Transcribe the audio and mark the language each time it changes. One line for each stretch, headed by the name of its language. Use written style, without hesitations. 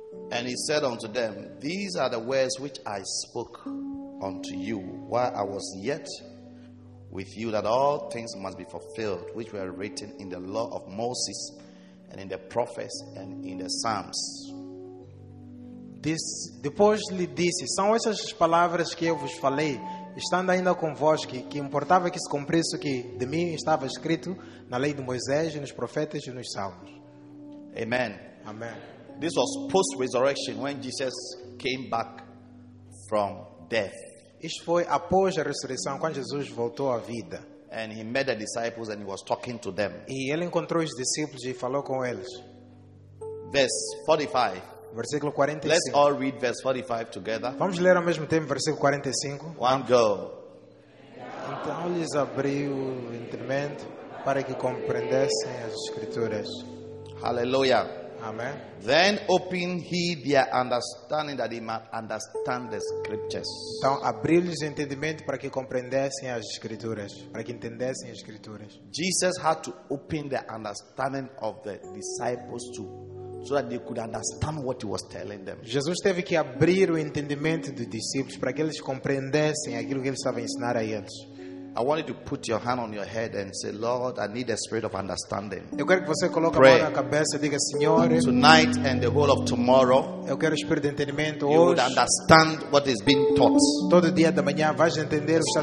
English: And he said unto them, these are the words which I spoke unto you while I was yet with you, that all things must be fulfilled which were written in the law of Moses and in the prophets and in the Psalms.
Portuguese: Depois lhe disse, são essas as palavras que eu vos falei, estando ainda convosco, que importava que se cumprisse o que de mim estava escrito na lei de Moisés, nos profetas e nos salmos. Amen. Amen.
English: This was post-resurrection when Jesus came back from death.
Portuguese: Isto foi após a ressurreição, quando Jesus voltou à vida.
English: And he met the disciples and he was talking to them.
Portuguese: E ele encontrou os discípulos e falou com eles.
English: Verse 45.
Portuguese: Versículo 45.
English: Let's all read verse 45 together.
Portuguese: Vamos ler ao mesmo tempo versículo 45.
English: One go.
Portuguese: Então lhes abriu o entendimento para que compreendessem as escrituras. Hallelujah. Amen.
English: Then open he their understanding that they might understand the scriptures.
Portuguese: Então abriu-lhes entendimento para que compreendessem as escrituras, para que entendessem as escrituras.
English: Jesus had to open the understanding of the disciples too, so that they could understand what he was telling them.
Portuguese: Jesus teve que abrir o entendimento dos discípulos para que eles compreendessem aquilo que ele estava ensinando a eles.
English: I want you to put your hand on your head and say, Lord, I need a spirit of understanding.
Portuguese: Eu quero que você coloque a mão na cabeça e diga, Senhor,
English: tonight and the whole of tomorrow,
Portuguese: eu quero o espírito de entendimento hoje.
English: You would understand what is being taught.
Portuguese: Todo dia da manhã vais entender o que está